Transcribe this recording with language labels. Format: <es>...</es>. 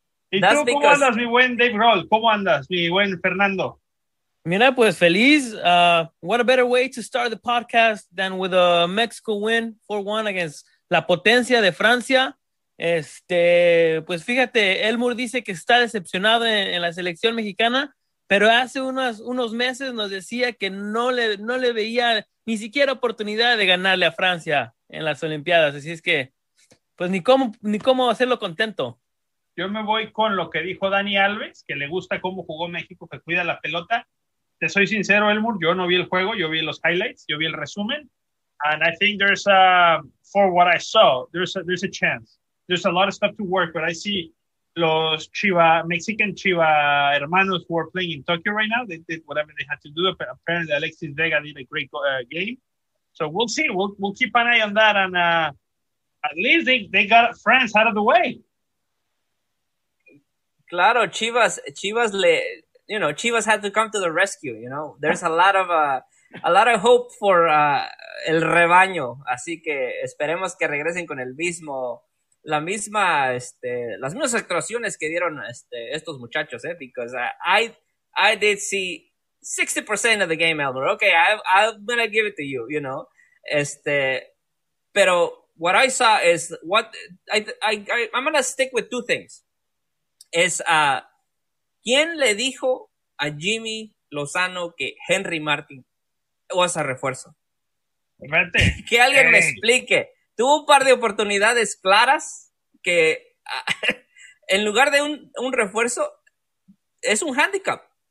<es>¿Y tú cómo andas, mi buen Dave Roll? ¿Cómo andas, mi buen Fernando? Mira, pues feliz.</es> <en>What a better way to start the podcast than with a Mexico win 4-1 against</en> <es>La Potencia de Francia. Pues fíjate, Elmur dice que está decepcionado en la selección mexicana, pero hace unos meses nos decía que no le veía ni siquiera oportunidad de ganarle a Francia en las Olimpiadas. Así es que, pues ni cómo hacerlo contento. Yo me voy con lo que dijo Dani Alves, que le gusta cómo jugó México, que cuida la pelota. Te soy sincero, Elmur, yo no vi el juego, yo vi los highlights, yo vi el resumen.</es> <en>And I think there's a, for what I saw, there's a chance. There's a lot of stuff to work, but I see los Mexican Chiva hermanos who are playing in Tokyo right now. They did whatever they had to do. Apparently Alexis Vega did a great game. So we'll see. We'll keep an eye on that. And at least they got France out of the way.</en> <es>Claro, Chivas le,</es> <en>you know, Chivas had to come to the rescue, you know. There's a lot of hope for</en> <es>el rebaño, así que esperemos que regresen con las mismas actuaciones que dieron estos muchachos,</es> <en>because I did see 60% of the game, Elmer. Okay, I'm going to give it to you, you know.</en> <es>Pero</es> <en>what I saw is I'm going to stick with two things.</en> <es>Es a quién le dijo a Jimmy Lozano que Henry Martin</es> <en>was a</en> <es>refuerzo. Vete. Que alguien me explique. Tuvo un par de oportunidades claras que en lugar de un refuerzo es un handicap.</es>